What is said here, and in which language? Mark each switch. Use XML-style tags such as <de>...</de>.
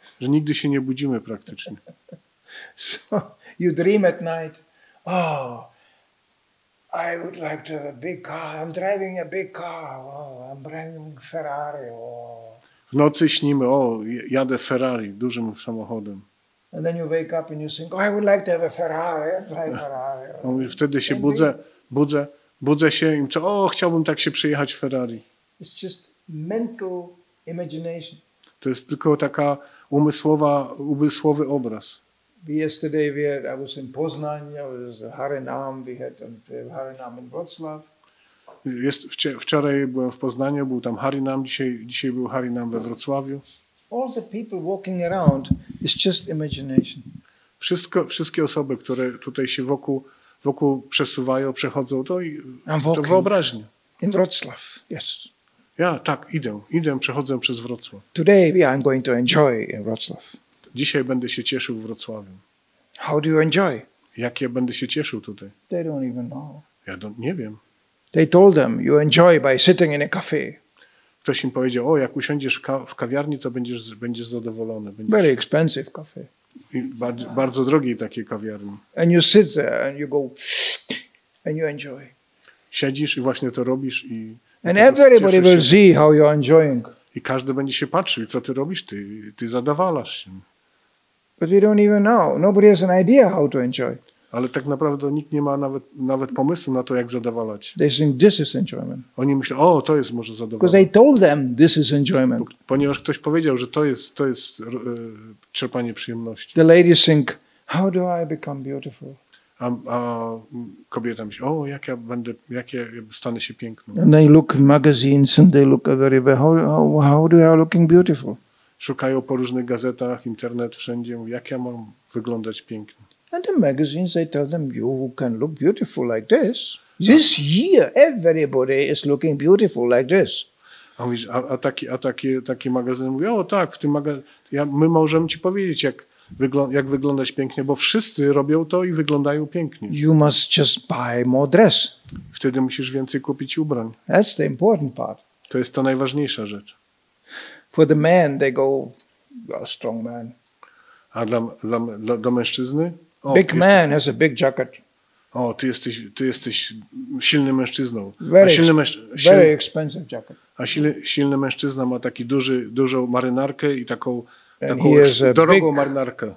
<pl>Że nigdy się nie budzimy praktycznie.</pl> <en>So you dream at night. Oh, I would like to have a big car. I'm driving a big car. Oh, I'm driving Ferrari. Oh.</en> <pl>W nocy śnimy. O, jadę Ferrari, dużym samochodem.</pl> <en>And then you wake up and you think, oh, I would like to have a Ferrari, drive Ferrari.</en> <pl>No, no, wtedy się budzę się i mówię, o, chciałbym tak się przyjechać w Ferrari.</pl> <en>It's just mental imagination.</en> <pl>To jest tylko taka umysłowy obraz.</pl> <en>Yesterday we had, I was in Poznań, I was in Harinam, we had Harinam in Wrocław.</en> <pl>Wczoraj byłem w Poznaniu, był tam Harinam, dzisiaj był Harinam we Wrocławiu.</pl> <en>All the people walking around is just imagination.</en> <pl>Wszystkie osoby, które tutaj się wokół przesuwają, przechodzą, to wyobraźnia.</pl> <en>In Wrocław, yes.</en> <pl>Ja tak, idę, przechodzę przez Wrocław.</pl> <en>Today we are going to enjoy in Wrocław.</en> <pl>Dzisiaj będę się cieszył w Wrocławiu.</pl> <en>How do you enjoy?</en> <pl>Jak ja będę się cieszył tutaj?</pl> <en>They don't even know.</en> <pl>Ja nie wiem.</pl> <en>They told them you enjoy by sitting in a cafe.</en> <pl>Ktoś im powiedział, o, jak usiądziesz w kawiarni, to będziesz zadowolony.</pl> <en>Very expensive cafe.</en> <pl>Bardzo drogie takie kawiarni.</pl> <en>And you sit there and you go and you enjoy.</en> <pl>Siedzisz i właśnie to robisz i.</pl> <en>And everybody will see how you're enjoying.</en> <pl>I każdy będzie się patrzył, co ty robisz, ty zadowalasz się.</pl> <en>But we don't even know. Nobody has an idea how to enjoy.</en> <pl>Ale tak naprawdę nikt nie ma nawet pomysłu na to, jak zadowalać.</pl> <en>They think this is enjoyment.</en> <pl>Oni myślą, o, to jest może zadowolenie.</pl> <en>Because they told them this is enjoyment.</en> <pl>Ponieważ ktoś powiedział, że to jest czerpanie przyjemności.</pl> <en>The ladies think, how do I become beautiful?</en> <pl>A kobieta myśli, o, jak ja stanę się piękną.</pl> <en>And they look in magazines and they look everywhere. How do I looking beautiful?</en> <pl>Szukają po różnych gazetach, internet, wszędzie, mówią, jak ja mam wyglądać pięknie.</pl> <en>And the magazines, they tell them, you can look beautiful like this. This year, everybody is looking beautiful like this.</en> <pl>A taki magazyn mówi, o tak, w tym my możemy ci powiedzieć, jak wyglądać pięknie, bo wszyscy robią to i wyglądają pięknie.</pl> <en>You must just buy more dress.</en> <pl>Wtedy musisz więcej kupić ubrań.</pl> <en>That's the important part.</en> <pl>To jest ta najważniejsza rzecz.</pl> <en>For the man, they go, a strong man.</en> <pl>A dla mężczyzny?</pl> <en>O, big man has a big jacket.</en> <pl>O, ty jesteś silnym mężczyzną.</pl> <en>Very expensive jacket.</en> <pl>A silny mężczyzna ma taki dużą marynarkę i taką drogą marynarkę.</pl>